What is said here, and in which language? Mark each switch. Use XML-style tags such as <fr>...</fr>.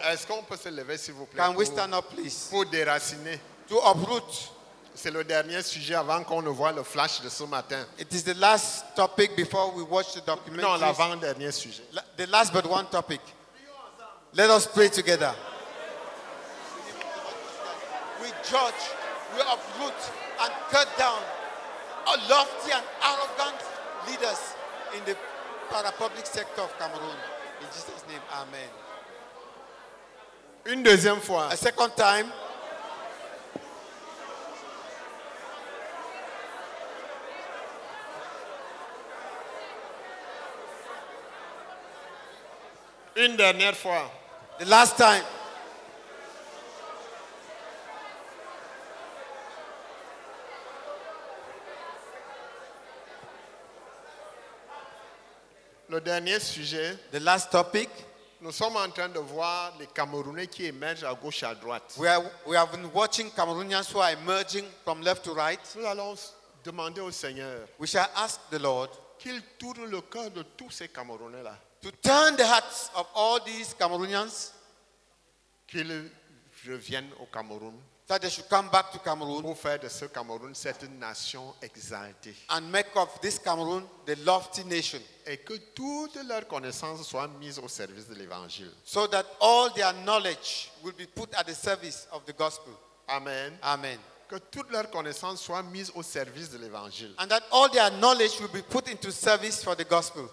<fr>Est-ce qu'on peut se lever, s'il vous plaît,</fr> <en>can we stand up, please?</en> <fr>Pour déraciner.</fr> <en>To uproot.</en> <fr>C'est le dernier sujet avant qu'on ne voit le flash de ce matin.</fr> <en>It is the last topic before we watch the documentary.</en> <fr>Non, l'avant-dernier sujet.</fr> <en>The last but one topic. Let us pray together. Judge, we uproot and cut down our lofty and arrogant leaders in the parapublic sector of Cameroon. In Jesus' name, amen.</en> <fr>Une deuxième fois.</fr> <en>A second time.</en> <fr>Une dernière fois.</fr> <en>The last time.</en> <fr>Le dernier sujet,</fr> <en>the last topic,</en> <fr>nous sommes en train de voir les Camerounais qui émergent à gauche à droite.</fr> <en>We have been watching Cameroonians who are emerging from left to right.</en> <fr>Nous allons demander au Seigneur,</fr> <en>we shall ask the Lord,</en> <fr>qu'il tourne le cœur de tous ces Camerounais là,</fr> <en>to turn the hearts of all these Cameroonians,</en> <fr>qu'ils reviennent au Cameroun,</fr> <en>that they should come back to Cameroon,</en> <fr>pour faire de ce Cameroun cette nation exaltée,</fr> <en>and make of this Cameroon the lofty nation.</en> <fr>Et que toutes leurs connaissances soient mises au service de l'Évangile.</fr> <en>So that all their knowledge will be put at the service of the gospel. Amen. Amen.</en> <fr>Que toutes leurs connaissances soient mises au service de l'Évangile.</fr> <en>And that all their knowledge will be put into service for the gospel.</en>